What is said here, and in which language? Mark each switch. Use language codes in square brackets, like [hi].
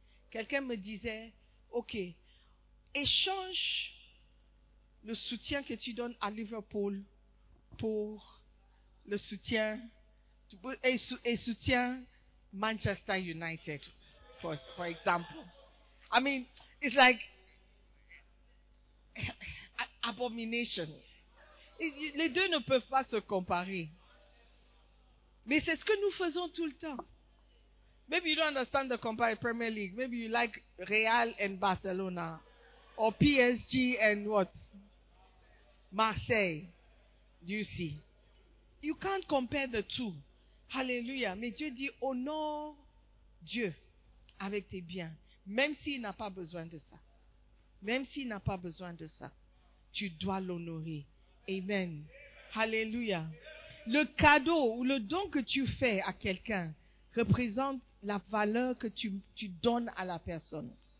[fr] Quelqu'un me disait, ok, échange le soutien que tu donnes à Liverpool pour le soutien et soutien Manchester United, [en] for example. I mean, it's like abomination. [fr] Les deux ne peuvent pas se comparer. Mais c'est ce que nous faisons tout le temps. [en] Maybe you don't understand the compare Premier League. Maybe you like Real and Barcelona. Or PSG and what? Marseille. Do you see? You can't compare the two. Hallelujah. [fr] Mais Dieu dit, honore Dieu avec tes biens. Même s'il n'a pas besoin de ça. Même s'il n'a pas besoin de ça, tu dois l'honorer. Amen. Hallelujah. Le cadeau ou le don que tu fais à quelqu'un représente la valeur que tu donnes à la personne.